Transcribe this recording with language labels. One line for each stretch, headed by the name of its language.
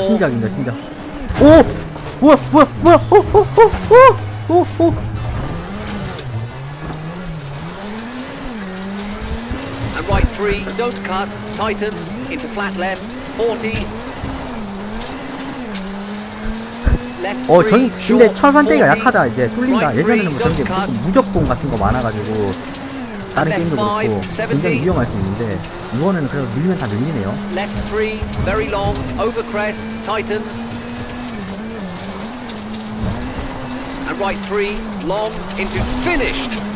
Korean: 신작입니다, 신작. 오! 뭐야, 뭐야, 뭐야! 오, 오, 오, 오! 오, 오!
English: And right 3, don't cut, tighten, into flat left, 40. Left 3,
Korean: 근데 철판대기가 약하다, 이제. 뚫린다. 예전에는 뭐 저런 게 무조건 무적봉 같은 거 많아가지고. 다른 게임도 그렇고 굉장히 위험할 수 있는데 이번에는 그래도 밀면 다 밀리네요.
English: Left 3, very long, over crest, tighten. And right 3, long, into finish.